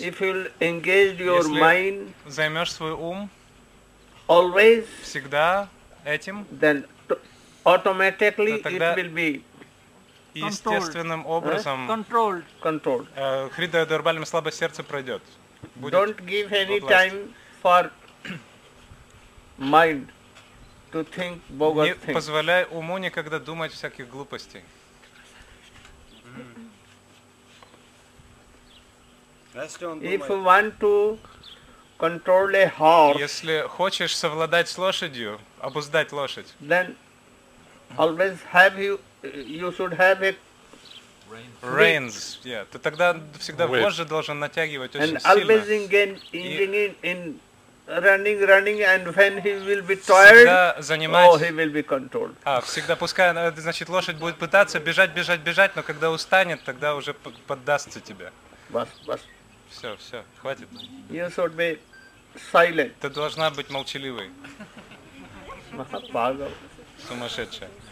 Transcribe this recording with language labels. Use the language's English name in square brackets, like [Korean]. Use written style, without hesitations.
[English] If you will engage your mind. [Russian] Если займешь свой ум. [English] Always. [Russian] Всегда этим. [English] Then automatically it will be. [Russian] Естественным образом. [English] Controlled. Controlled. [Sanskrit] Хридая Дурбалим, [Russian] слабое сердце пройдет. [English] Don't give any time for mind to think bogus things. [Russian] Не позволяй уму никогда думать всяких глупостей. [English] If you want to control a horse, [Russian] если хочешь совладать с лошадью, обуздать лошадь, [English] then always have you should have a Reins. Yeah. [Russian] Ты тогда всегда вожжи должен натягивать очень сильно. [English] And always in running, and when he will be tired, he will be controlled. [Russian] А, всегда пускай, значит, лошадь будет пытаться бежать, но когда устанет, тогда уже поддастся тебе. [Hindi] Бас. [Russian] Все, хватит. [English] You should be silent. [Russian] Ты должна быть молчаливой. [Hindi] Пагал. [Russian] Сумасшедшая.